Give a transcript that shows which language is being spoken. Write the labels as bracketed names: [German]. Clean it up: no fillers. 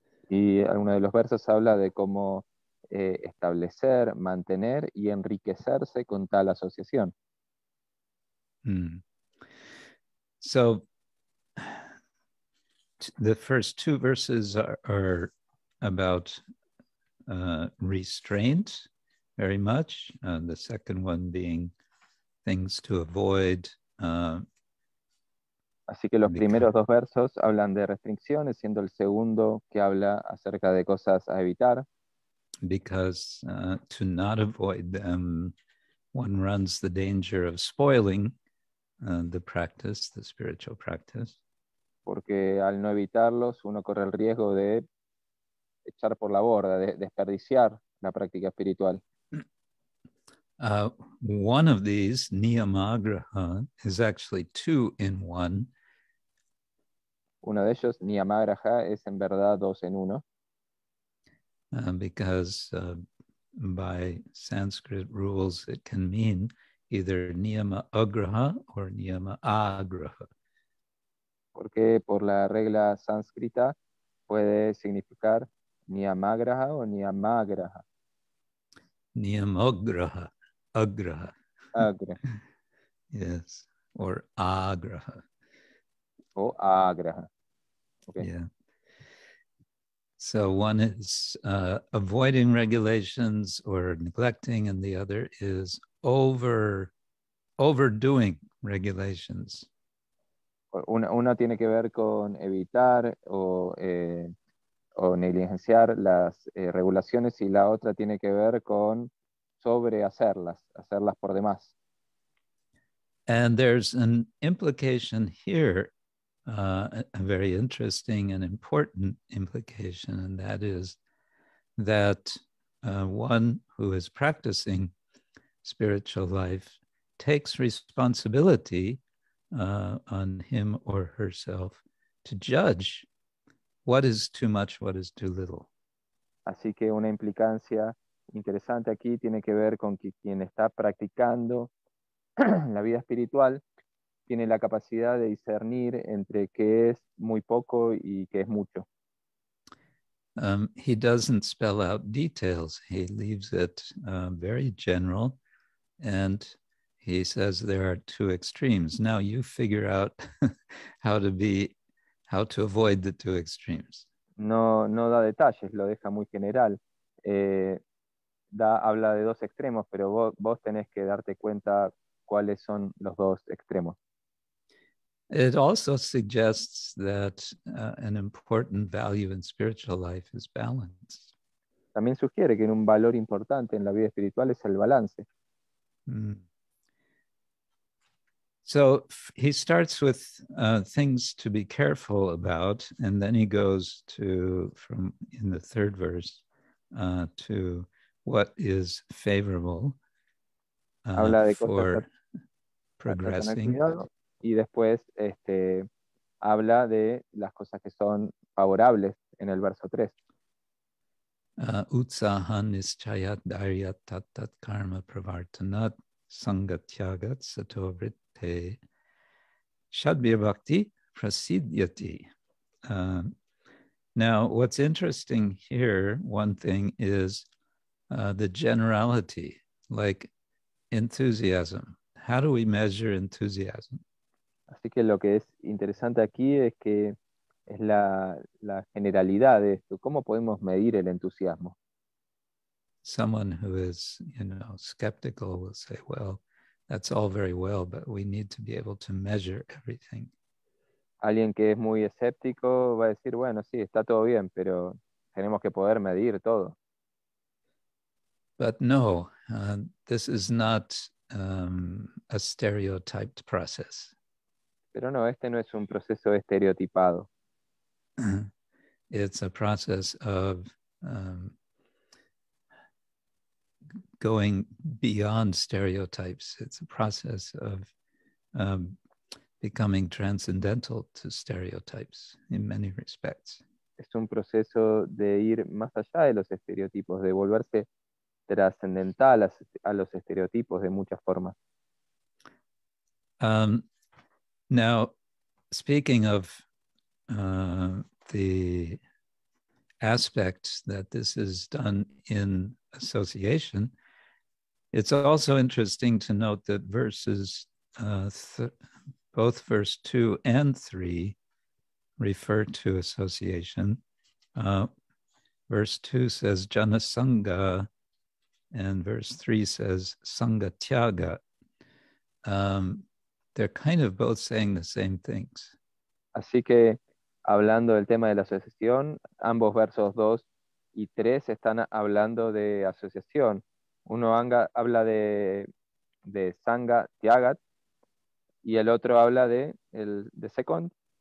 [Spanish] Y alguno de los versos habla de cómo establecer, mantener y enriquecerse con tal asociación. [English] So the first two verses are about restraint very much, and the second one being things to avoid. [Spanish] Así que los primeros dos versos hablan de restricciones, siendo el segundo que habla acerca de cosas a evitar. [English] Because to not avoid them, one runs the danger of spoiling the practice, the spiritual practice. [Spanish] Porque al no evitarlos, uno corre el riesgo de echar por la borda, de desperdiciar la práctica espiritual. [English] One of these, Niyamagraha, is actually two in one. [Spanish] Uno de ellos, Niyamagraha, es en verdad dos en uno. [English] Because by Sanskrit rules, it can mean either niyama agraha or niyama agraha. [Spanish] Porque por la regla sánscrita puede significar niyamagraha o niyamagraha. [Sanskrit] Niyamagraha, agraha. Agraha. [English] Yes, or agraha. [Spanish] O agraha. Okay. [English] Yeah. So one is avoiding regulations or neglecting, and the other is overdoing regulations. [Spanish] Una tiene que ver con evitar o negligenciar las regulaciones, y la otra tiene que ver con sobrehacerlas, hacerlas por demás. [English] And there's an implication here, a very interesting and important implication, and that is that one who is practicing spiritual life takes responsibility on him or herself to judge What is too much, what is too little? [Spanish] Así que una implicancia interesante aquí tiene que ver con que quien está practicando la vida espiritual tiene la capacidad de discernir entre qué es muy poco y qué es mucho. [English] He doesn't spell out details. He leaves it very general, and he says there are two extremes. Now you figure out how to avoid the two extremes. [Spanish] No da detalles, lo deja muy general. Habla de dos extremos, pero vos tenés que darte cuenta cuáles son los dos extremos. [English] It also suggests that an important value in spiritual life is balance. [Spanish] También sugiere que un valor importante en la vida espiritual es el balance. [English] So he starts with things to be careful about, and then he goes to, from in the third verse, to what is favorable for progressing. [Spanish] Y después habla de las cosas que son favorables en el verso 3. [Sanskrit] Utsahan nischayat daryat tat tat karma pravartanat sangatyagat sato vritte shadbir bhakti prasidyati. [English] Now, what's interesting here, one thing is the generality, like enthusiasm. How do we measure enthusiasm? [Spanish] Así que lo que es interesante aquí es que es la generalidad de esto. ¿Cómo podemos medir el entusiasmo? [English] Someone who is, you know, skeptical will say, well, that's all very well, but we need to be able to measure everything. [Spanish] Alguien que es muy escéptico va a decir, bueno, sí, está todo bien, pero tenemos que poder medir todo. [English] But no, this is not a stereotyped process. [Spanish] Pero no, este no es un proceso estereotipado. [English] It's a process of going beyond stereotypes. It's a process of becoming transcendental to stereotypes in many respects. [Spanish] Es un proceso de ir más allá de los estereotipos, de volverse trascendental a los estereotipos de muchas formas. [English] Now, speaking of the aspect that this is done in association, it's also interesting to note that both verse 2 and 3 refer to association. Verse 2 says janasanga, and verse 3 says sangatyaga. They're kind of both saying the same things. [Spanish] Así que, hablando del tema de la asociación, ambos versos 2 y 3 están hablando de asociación. Uno habla de sangha tyagat, y el otro habla de second.